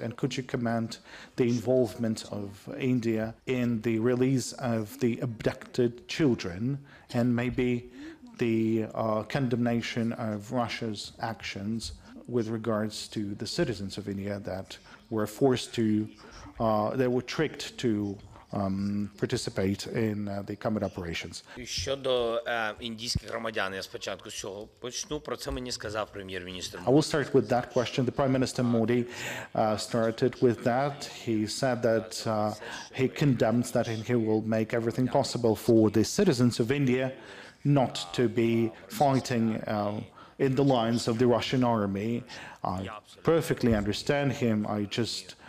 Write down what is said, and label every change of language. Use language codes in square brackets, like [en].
[en] And could you comment the involvement of India in the release of the abducted children, and maybe the condemnation of Russia's actions with regards to the citizens of India that were forced to, they were tricked to participate in the combat operations. [uk] Щодо індійських громадян, я спочатку з цього почну. Про це мені сказав прем'єр-міністр. [en] I will start with that question. The Prime Minister Modi started with that. He said that he condemns that, and he will make everything possible for the citizens of India not to be fighting in the lines of the Russian army. I perfectly understand him. I just